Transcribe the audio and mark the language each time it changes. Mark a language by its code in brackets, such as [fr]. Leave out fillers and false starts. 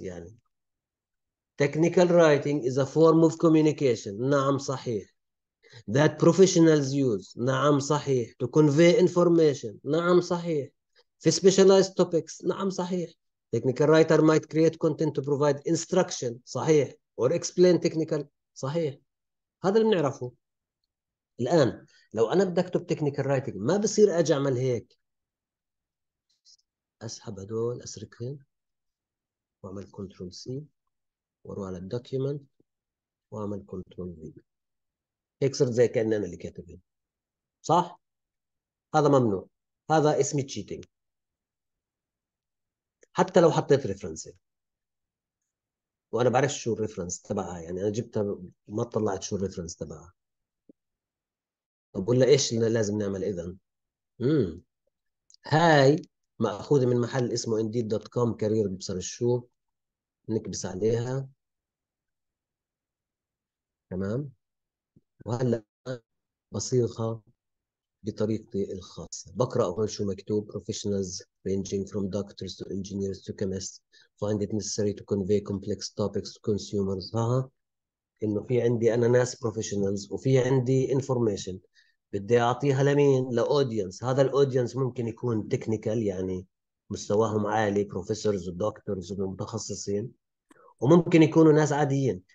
[ar] يعني [en] technical writing is a form of communication. [ar] نعم صحيح. [en] That professionals use. [ar] نعم صحيح. [en] To convey information. [ar] نعم صحيح. في [en] specialized topics. [ar] نعم صحيح. [en] Technical writer might create content to provide instruction. [ar] صحيح. [en] Or explain technical. [ar] صحيح. هذا اللي بنعرفه. الآن لو أنا بدي أكتب technical writing ما بصير أجي أعمل هيك، أسحب هدول أسركهم وأعمل control C وأروح على document وأعمل control V، هيك صرت زي كأن أنا اللي كاتبين. صح؟ هذا ممنوع، هذا اسمه cheating حتى لو حطيت reference. وأنا بعرف شو الريفرنس تبعها، يعني أنا جبتها ما طلعت شو الريفرنس تبعها. طب ولا ايش اللي لازم نعمل اذا؟ هاي ماخوذه من محل اسمه indeed.com كارير، بصير شو نكبس عليها. تمام، وهلا بصيغها بطريقتي الخاصه، بقرا هون شو مكتوب. [en] professionals ranging from doctors to engineers to chemists find it necessary to convey complex topics to consumers. [ar] ها، انه في عندي انا ناس professionals وفي عندي information بدي أعطيها لمين؟ لأودينس. هذا الأودينس ممكن يكون تكنيكال، يعني مستواهم عالي، بروفيسورز ودكتورز ومتخصصين، وممكن يكونوا ناس عاديين.